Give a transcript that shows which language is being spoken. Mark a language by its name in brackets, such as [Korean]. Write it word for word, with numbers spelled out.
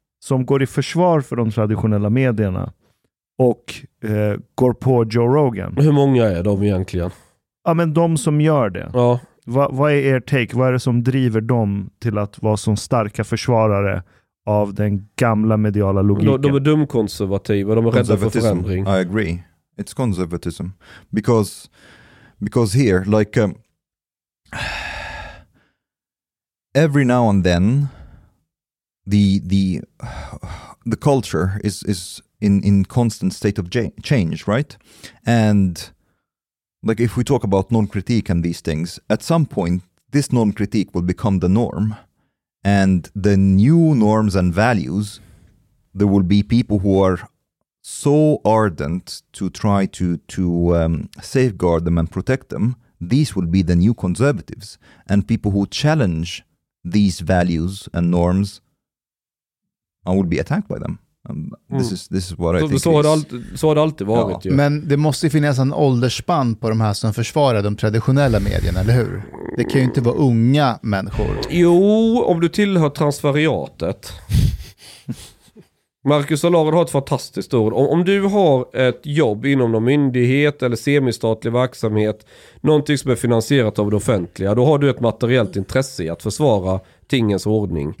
[Swedish] som går i försvar för de traditionella medierna och uh, går på Joe Rogan. Hur många är de egentligen? Ja, men de som gör det. Ja. Vad, vad är er take? Vad är det som driver dem till att vara som starka försvarare av den gamla mediala logiken? De, de är dumkonservativa, de är rädda för förändring. [English] I agree. It's conservatism. Because, because here, like, um, every now and then, the, the, the culture is, is in, in constant state of change, right? And... like if we talk about non-critique and these things, at some point this non-critique will become the norm, and the new norms and values, there will be people who are so ardent to try to to um, safeguard them and protect them. These will be the new conservatives, and people who challenge these values and norms I will be attacked by them. Um, this is, this is what I [Swedish] så, [English] think [Swedish] så, har alltid, så har det alltid varit. Ja. Men det måste ju finnas en åldersspann på de här som försvarar de traditionella medierna, eller hur? Det kan ju inte vara unga människor. Jo, om du tillhör transferiatet. Marcus Allard har ett fantastiskt ord. Om, om du har ett jobb inom någon myndighet eller semistatlig verksamhet, någonting som är finansierat av det offentliga, då har du ett materiellt intresse i att försvara tingens ordning.